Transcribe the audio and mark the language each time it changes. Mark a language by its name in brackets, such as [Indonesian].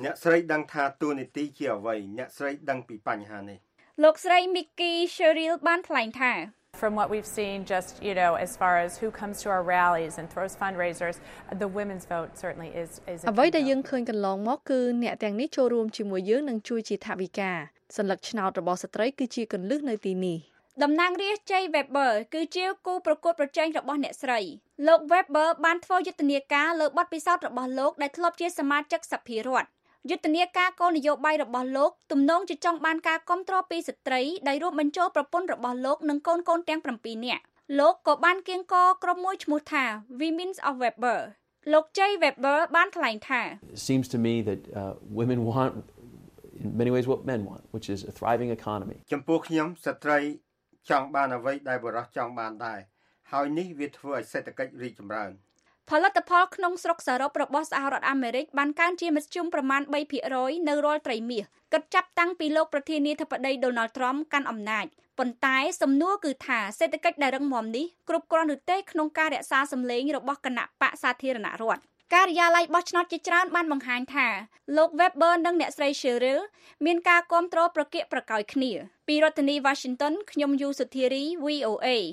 [Khmer] អ្នកស្រីដឹងថាទូនីតិជាអ្វីអ្នកស្រីដឹងពីបញ្ហានេះ លោកស្រី Mickey Sherrill បានថ្លែងថា [English] From what we've seen just you know as far as who comes to our rallies and throws fundraisers the women's vote certainly is [Khmer] អ្វីដែលយើងឃើញកន្លងមកគឺអ្នកទាំងនេះចូលរួមជាមួយយើងនិងជួយជាថវិកាសញ្ញាឆ្នោតរបស់ស្រីគឺជាកន្លឹះនៅទីនេះ តំណាងរាស្ត្រ Jay Weber គឺជាគូប្រកួតប្រជែងរបស់អ្នកស្រីលោក Weber បានធ្វើយុទ្ធនាការលើបទពិសោធន៍របស់លោកដែលធ្លាប់ជាសមាជិកសភារដ្ឋយុទ្ធនាការគោលនយោបាយរបស់លោកទំនងជាចង់បានការគាំទ្រពីស្ត្រីដែលរួមបញ្ចូលប្រពន្ធរបស់លោកនិងកូនកូនទាំង7នាក់លោកក៏បានគៀងគរក្រុមមួយឈ្មោះថា Women's of Weber លោក Jay Weber បានថ្លែងថា [English] It seems to me that women want in many ways what men want which is a thriving economy [Khmer] ចំពោះខ្ញុំស្ត្រីចង់បានអ្វីដែលបុរសចង់បានដែរ ហើយនេះវាធ្វើឲ្យសេដ្ឋកិច្ចរីកចម្រើន ផលិតផលក្នុងស្រុកសរុបរបស់សហរដ្ឋអាមេរិកបានកើនជាមធ្យមប្រមាណ 3% នៅរាល់ត្រីមាសគិតចាប់តាំងពីលោកប្រធានាធិបតីដូណាល់ត្រាំកាន់អំណាចប៉ុន្តែសំណួរគឺថាសេដ្ឋកិច្ចដែលរឹងមាំនេះគ្រប់គ្រាន់ឬទេក្នុងការរក្សាសម្លេងរបស់គណៈបកសាធារណរដ្ឋការិយាល័យបោះឆ្នោតជាច្រើនបានបង្ហាញថាលោក Weber និងអ្នកស្រី Cheryl មានការគាំទ្រប្រកាសប្រកាយគ្នាពីរដ្ឋធានី Washington ខ្ញុំយូសុធារី VOA